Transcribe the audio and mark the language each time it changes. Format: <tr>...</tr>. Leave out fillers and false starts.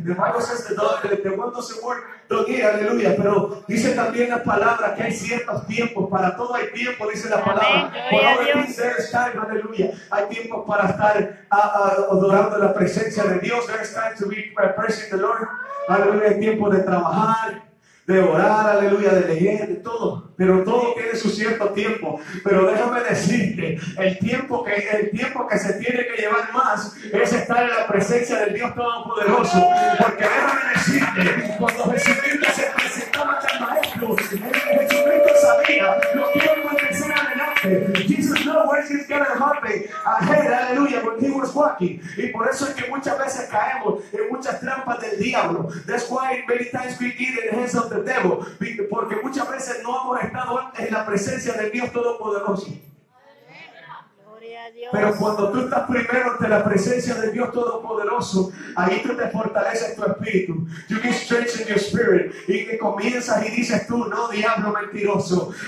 <en>The Bible says the one doesn't work, don't eat, aleluya.</en> <es>Pero dice también la palabra que hay ciertos tiempos, para todo hay tiempo, dice la palabra. Por ahora dice,</es> <en>time, aleluya.</en> <es>Hay tiempos para estar adorando la presencia de Dios.</es> <en>There's time to be praising the Lord.</en> <es>Aleluya, hay tiempo de trabajar, de orar, aleluya, de leer, de todo. Pero todo tiene su cierto tiempo. Pero déjame decirte, el tiempo que se tiene que llevar más es estar en la presencia del Dios Todopoderoso. Porque déjame decirte, cuando Jesucristo se presentaba al maestro, Jesucristo sabía lo que iba a acontecer adelante.</es> <en>Jesus knows where he's going to happen ahead, aleluya, when he was walking.</en> <es>Y por eso es que muchas veces caemos en muchas trampas del diablo.</es> <en>That's why many times we eat in the hands of the devil.</en> <es>Porque muchas veces no hemos estado antes en la presencia del Dios Todopoderoso. Pero cuando tú estás primero ante la presencia de Dios Todopoderoso, ahí tú te fortaleces tu espíritu.</es> <en>You can strengthen your spirit.</en> <es>Y que comienzas y dices tú, no, diablo mentiroso.</es>